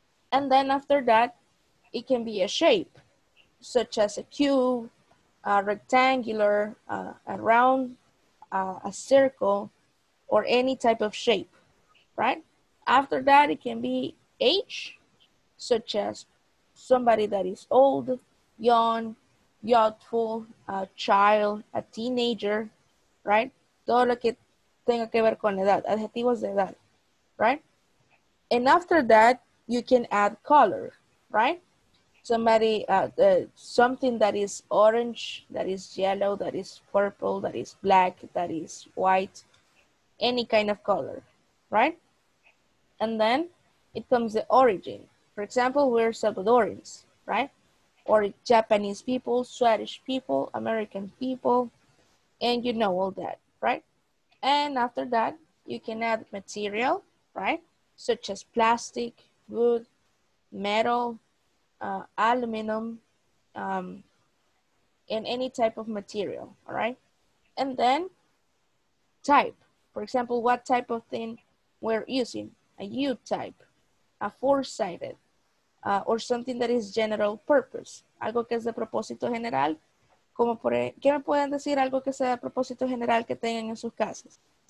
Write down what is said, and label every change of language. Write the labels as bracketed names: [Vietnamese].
[English] And then after that, it can be a shape, such as a cube, a rectangular, a round, a circle, or any type of shape, right? After that, it can be age, such as somebody that is old, young, youthful, a child, a teenager, right? [Spanish] Todo lo que tenga que ver con edad, adjetivos de edad, [English] right? And after that, you can add color, right? Somebody, something that is orange, that is yellow, that is purple, that is black, that is white, any kind of color, right? And then it comes the origin. For example, we're Salvadorians, right? Or Japanese people, Swedish people, American people, and you know all that, right? And after that, you can add material, right? Such as plastic, wood, metal, aluminum, and any type of material, all right? And then type. For example, what type of thing we're using, a U-type. A four-sided, or something that is general purpose. [Spanish] Algo que es de propósito general. Como por, ¿qué me pueden decir algo que sea de propósito general que tengan en sus casas?